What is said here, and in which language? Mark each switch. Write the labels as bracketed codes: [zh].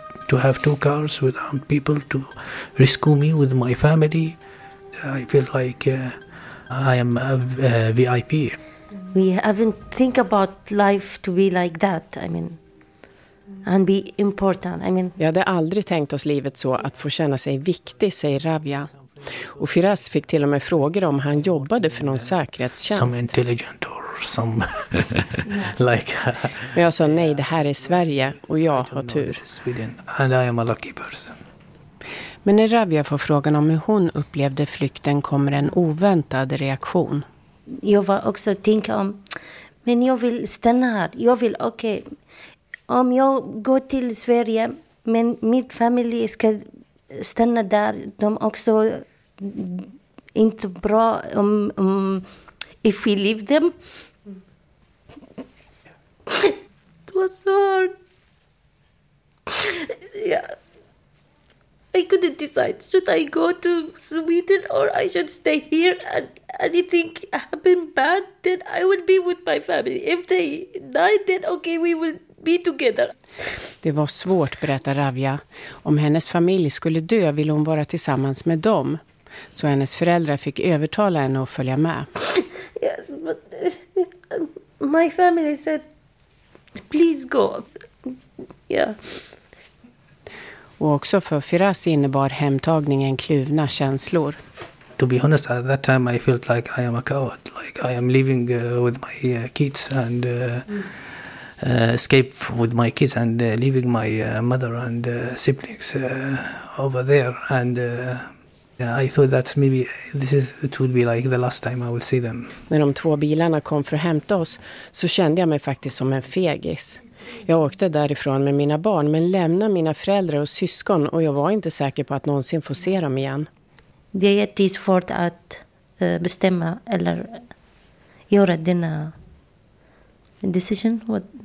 [en] To have two cars with armed people to rescue me with my family, I feel like I am a VIP. We haven't think about life to be like that. I mean, and be important. I mean, [sv] vi hade aldrig tänkt oss livet så, att få känna sig viktig, säger Ravia. Och Firas fick till och med frågor om han jobbade för någon säkerhetstjänst. [en] Some intelligent or some like. [sv] Men jag sa nej, det här är Sverige och jag har tur. [en] And I am a lucky person. [sv] Men när Ravia får frågan om hur hon upplevde flykten kommer en oväntad reaktion. Jag var också tänka om, men jag vill stanna här. Jag vill, okej, om jag går till Sverige, men min familj ska stanna där. De också inte bra om [en] if we leave them. [sv] Det var så hard. Ja. [en] I couldn't decide, should I go to Sweden or I should stay here, and anything happened bad, then I would be with my family. If they died, then okay, we will be together. [sv] Det var svårt, berättar Ravia. Om hennes familj skulle dö ville hon vara tillsammans med dem. Så hennes föräldrar fick övertala henne att följa med. [en] Yes, but my family said, please go. Yeah. [sv] Och också för Firas innebar hemtagningen kluvna känslor. [en] To be honest, at that time I felt like I am a coward, like I am living with my kids and escape with my kids and leaving my mother and siblings over there, and I thought that maybe this is it would be like the last time I would see them. [sv] När de två bilarna kom för att hämta oss så kände jag mig faktiskt som en fegis. Jag åkte därifrån med mina barn men lämnade mina föräldrar och syskon, och jag var inte säker på att någonsin få se dem igen. Det är jättesvårt att bestämma eller göra denna decision.